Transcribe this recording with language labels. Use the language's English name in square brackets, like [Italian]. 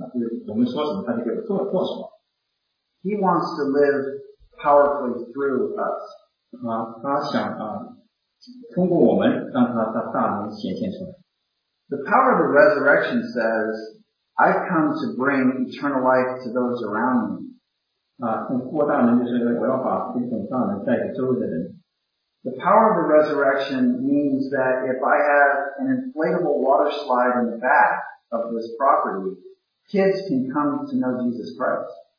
[Chinese] 但他不是像我们一个佣人，就是我们说什么，他就给我做什么。 [English] He wants to live powerfully through us. [Chinese] 他想通过我们让他的大能显现出来。 [English] The power of the resurrection says, I've come to bring eternal life to those around me. [Chinese] 通过大能就是我要把这种大能带给周围的人。 [English] The power of the resurrection means that if I have an inflatable water slide in the back of this property, kids can come to know Jesus Christ.